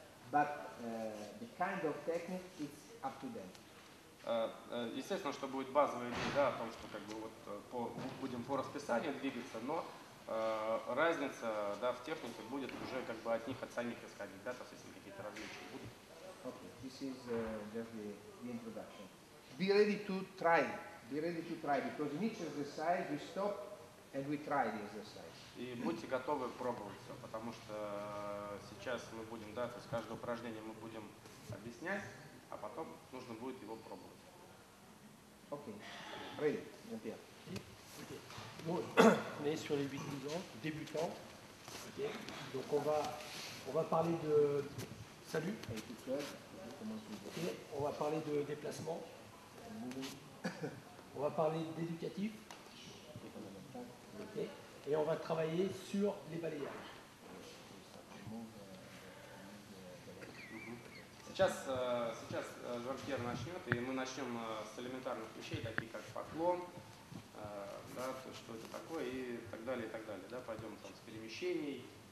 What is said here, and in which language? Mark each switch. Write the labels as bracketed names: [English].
[English] But the kind of technique is up to them. [Russian] Естественно, что будет базовая идея, да, о том, что как бы вот будем по расписанию двигаться, но разница, да, в технике будет уже как бы от них, от самих исходить, да, то есть если какие-то различия будут. [English] Okay, this is just the introduction. Be ready to try. Be ready to try, because in each exercise we stop and we try the exercise. [Russian] И будьте готовы пробовать все, потому что сейчас мы будем, да, то есть каждое упражнение мы будем объяснять, а потом нужно будет его пробовать. [English] Окей. Ready. Jean-Pierre. [French] Bon, on est sur les débutants. Okay. Donc on va parler de salut. Okay. On va parler de déplacement. On va parler d'éducatif. Okay. Et on va travailler sur les balayages. [Russian] Сейчас Жан-Пьер начнет, и мы начнем с элементарных вещей, таких как поклон, да, что это такое, и так далее, и так далее. Да, пойдем там с перемещений.